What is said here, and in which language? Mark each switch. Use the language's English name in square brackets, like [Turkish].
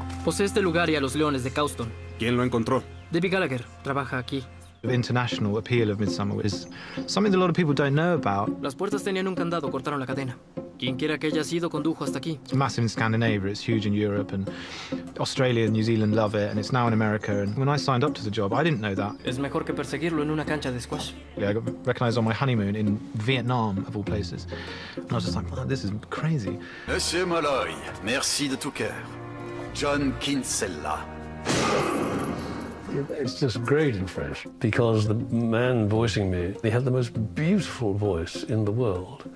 [Spanish] Posee este lugar y a los leones de Cawston. ¿Quién lo encontró? Debbie Gallagher trabaja aquí. [English] The international appeal of Midsomer is something that a lot of people don't know about. [Spanish] Las puertas tenían un candado, cortaron la cadena. Quienquiera que haya sido condujo hasta aquí. [English] It's massive in Scandinavia, it's huge in Europe, and Australia and New Zealand love it, and it's now in America. And when I signed up to the job, I didn't know that. [Spanish] Es mejor que perseguirlo en una cancha de squash. [English] Yeah, I got recognized on my honeymoon in Vietnam, of all places. And I was just like, wow, this is crazy. [French] Monsieur Molloy, merci de tout cœur. John Kinsella. [English] It's just great in French, because the man voicing me, he had the most beautiful voice in the world.